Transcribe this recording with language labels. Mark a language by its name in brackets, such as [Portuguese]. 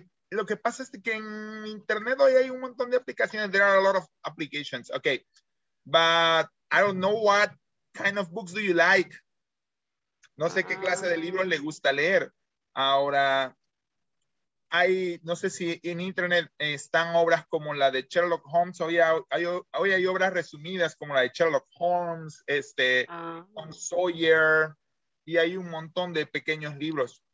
[Spanish] Lo que pasa es que en internet hoy hay un montón de aplicaciones. [English] There are a lot of applications. Okay. But I don't know what kind of books do you like. [Spanish] No sé qué clase de libros le gusta leer. Ahora, hay, no sé si en internet están obras como la de Sherlock Holmes. Hoy hay obras resumidas como la de Sherlock Holmes, Tom Sawyer, y hay un montón de pequeños libros.